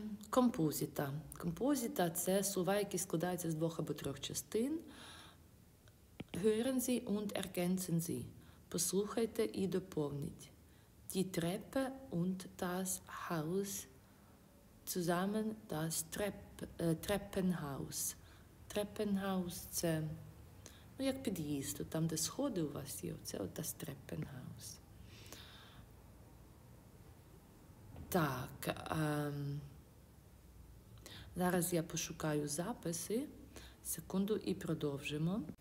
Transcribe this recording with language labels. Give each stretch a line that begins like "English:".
Ukrainian: Композита. Композита – це слова, які складаються з двох або трьох частин.
German: Hören Sie und ergänzen Sie.
Ukrainian: Послухайте і доповніть.
German: Die Treppe und das Haus zusammen das Treppenhaus.
Ukrainian: Treppenhaus – це, ну, як під'їзд, там, де сходи у вас є, це от das Treppenhaus. Так, зараз я пошукаю записи, секунду, і продовжимо.